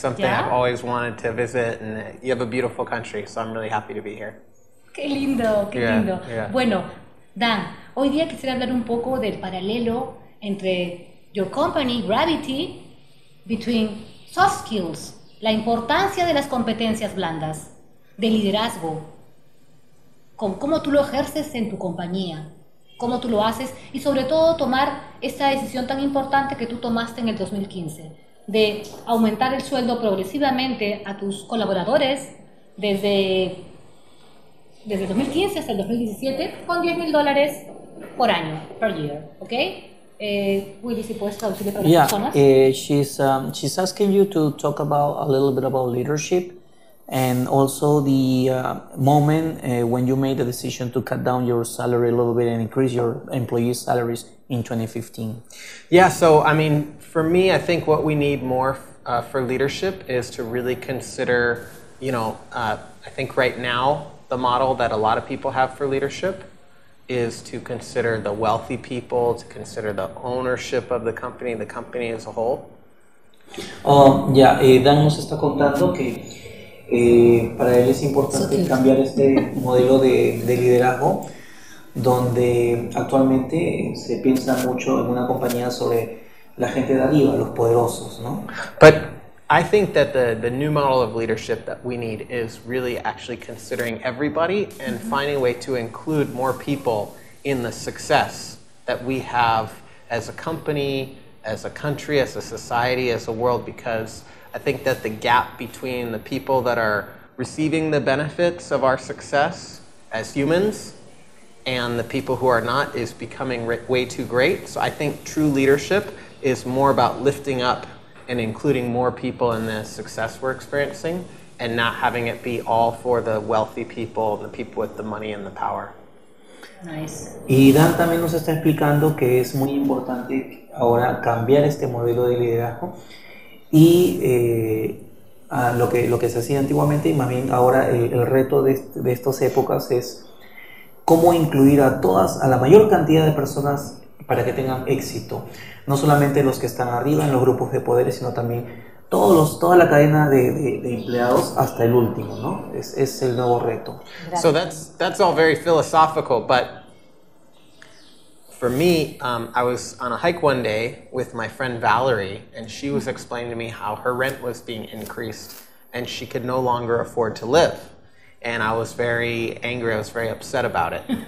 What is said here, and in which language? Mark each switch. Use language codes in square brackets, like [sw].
[en] something I've always wanted to visit, and you have a beautiful country, so I'm really happy to be here. [es] Qué lindo, qué [en] Yeah, [es] lindo. [en] yeah. [es] Bueno, Dan, hoy día quisiera hablar un poco del paralelo entre [en] your company, [es] Gravity, [en] between soft skills, [es] la importancia de las competencias blandas, de liderazgo, con cómo tú lo ejerces en tu compañía, cómo tú lo haces y sobre todo tomar esta decisión tan importante que tú tomaste en el 2015, de aumentar el sueldo progresivamente a tus colaboradores desde 2015 hasta el 2017 con 10 mil dólares por año, [en] per year, [es] ¿ok? Will si puedes traducirle para las [en] Yeah, [es] personas. [en] she's asking you to talk about a little bit about leadership and also the moment when you made the decision to cut down your salary a little bit and increase your employees' salaries in 2015. Yeah, so I mean, for me, I think what we need more for leadership is to really consider, I think right now the model that a lot of people have for leadership is to consider the wealthy people, to consider the ownership of the company as a whole. [es] Dan nos está contando que para él es importante cambiar este modelo de liderazgo, donde actualmente se piensa mucho en una compañía sobre la gente de arriba, los poderosos, ¿no? [en] But I think that the new model of leadership that we need is really actually considering everybody and finding a way to include more people in the success that we have as a company, as a country, as a society, as a world, because I think that the gap between the people that are receiving the benefits of our success as humans and the people who are not is becoming way too great. So I think true leadership is more about lifting up and including more people in the success we're experiencing and not having it be all for the wealthy people and the people with the money and the power. [es] Y Dan también nos está explicando que es muy importante ahora cambiar este modelo de liderazgo y a lo que se hacía antiguamente, y más bien ahora el reto de estas épocas es cómo incluir a la mayor cantidad de personas para que tengan éxito. No solamente los que están arriba en los grupos de poderes, sino también toda la cadena de empleados hasta el último, ¿no? Es el nuevo reto. [en] So that's all very philosophical, but for me, I was on a hike one day with my friend Valerie, and she was explaining to me how her rent was being increased and she could no longer afford to live. And I was very angry, I was very upset about it.